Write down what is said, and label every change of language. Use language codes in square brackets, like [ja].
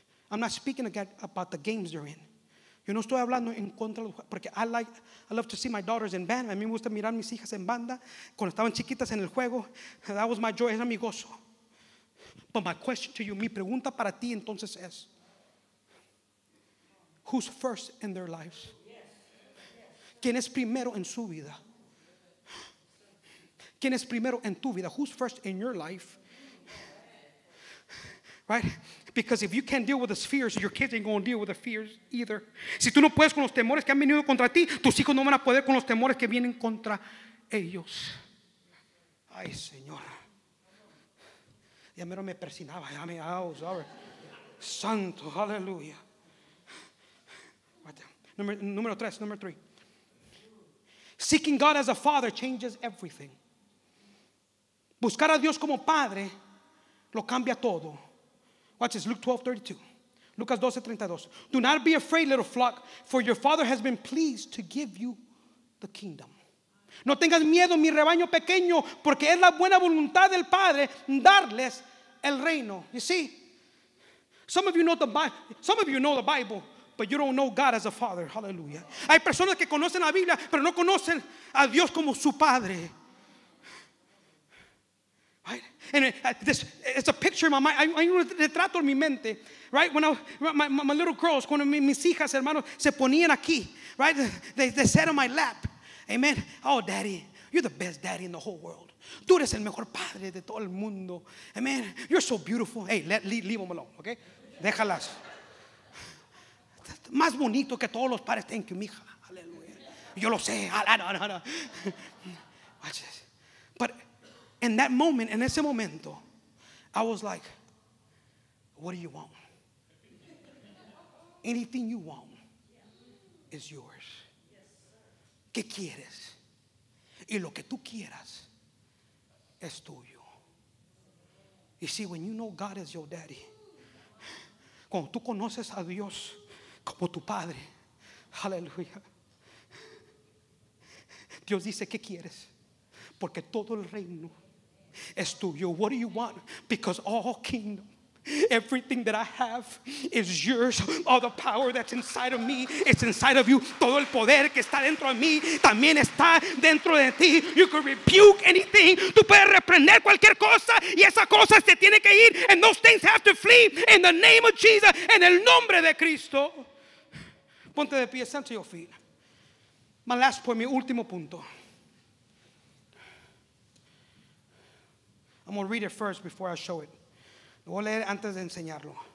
[en] I'm not speaking about the games they're in. [es] Yo no estoy hablando en contra de los juegos, porque [en] I love to see my daughters in band. [es] A mí me gusta mirar mis hijas en banda cuando estaban chiquitas en el juego. [en] That was my joy, [es] era mi gozo. [en] But my question to you, [es] mi pregunta para ti entonces es, [en] who's first in their lives? [es] ¿Quién es primero en su vida? ¿Quién es primero en tu vida? [en] Who's first in your life? Right? Because if you can't deal with the fears, your kids ain't going to deal with the fears either. [es] Si tú no puedes con los temores que han venido contra ti, tus hijos no van a poder con los temores que vienen contra ellos. Ay, Señor. Ya mero me persinaba. Ya me santo. Aleluya. Número tres. [en] Seeking God as a father changes everything. [es] Buscar a Dios como padre lo cambia todo. [en] Watch this, Lucas 12:32. Do not be afraid, little flock, for your father has been pleased to give you the kingdom. [es] No tengas miedo, mi rebaño pequeño, porque es la buena voluntad del padre darles el reino. [en] You see, some of you know the Bible, but you don't know God as a father. Hallelujah. [es] Hay personas que conocen la Biblia, pero no conocen a Dios como su padre. [en] Right? And it's a picture in my mind. [es] Hay un retrato en mi mente. [en] Right? When my little girls, [es] cuando mis hijas, hermanos, se ponían aquí. Right? [en] They sat on my lap. Amen. Oh, daddy, you're the best daddy in the whole world. [es] Tú eres el mejor padre de todo el mundo. [en] Amen. You're so beautiful. Hey, leave them alone. Okay? [es] Déjalas. Más bonito que todos los padres tienen que mi hija. Aleluya. Yo lo sé. No. [en] Watch this. But in that moment, en ese momento, I was like, what do you want? Anything you want is yours. [es] ¿Qué quieres? Y lo que tú quieras es tuyo. [en] You see, when you know God as your daddy, [es] cuando tú conoces a Dios como tu padre, aleluya, Dios dice, ¿qué quieres? Porque todo el reino es tuyo. [en] What do you want? Because all kingdom, everything that I have is yours. All the power that's inside of me is inside of you. [es] Todo el poder que está dentro de mí también está dentro de ti. [en] You can rebuke anything. [es] Tú puedes reprender cualquier cosa y esa cosa se tiene que ir. [en] And those things have to flee in the name of Jesus. [es] En el nombre de Cristo. Ponte de pie, [en] stand to your feet. My last point, [es] mi último punto. [en] I'm going to read it first before I show it. [es] Lo voy a leer antes de enseñarlo.